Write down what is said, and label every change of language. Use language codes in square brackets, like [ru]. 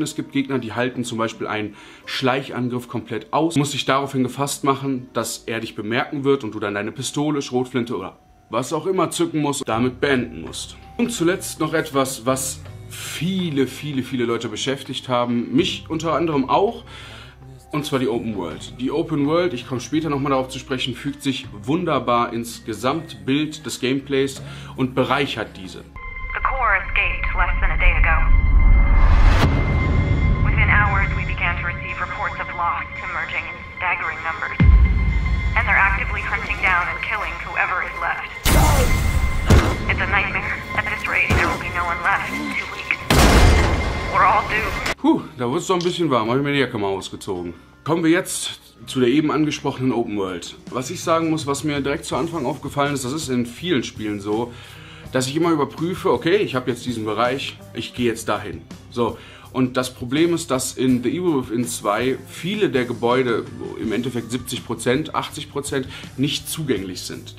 [de] Es gibt Gegner, die halten zum Beispiel einen Schleichangriff komplett aus. Du musst dich daraufhin gefasst machen, dass er dich bemerken wird und du dann deine Pistole, Schrotflinte oder was auch immer zücken musst und damit beenden musst. Und zuletzt noch etwas, was viele, viele, viele Leute beschäftigt haben. Mich unter anderem auch. Und zwar die Open World. Die Open World, ich komme später nochmal darauf zu sprechen, fügt sich wunderbar ins Gesamtbild des Gameplays und bereichert diese. [en] The core escaped less than a day ago. Within hours we began to receive reports of lost emerging in staggering numbers. And they're actively hunting down and killing whoever is left. It's a nightmare. At this rate there will be no one left in 2 weeks. [de] Puh, da wird es doch ein bisschen warm. Habe ich mir die Jacke mal ausgezogen. Kommen wir jetzt zu der eben angesprochenen Open World. Was ich sagen muss, was mir direkt zu Anfang aufgefallen ist, das ist in vielen Spielen so, dass ich immer überprüfe, okay, ich habe jetzt diesen Bereich, ich gehe jetzt dahin. So, und das Problem ist, dass in The Evil Within 2 viele der Gebäude, im Endeffekt 70%, 80%, nicht zugänglich sind.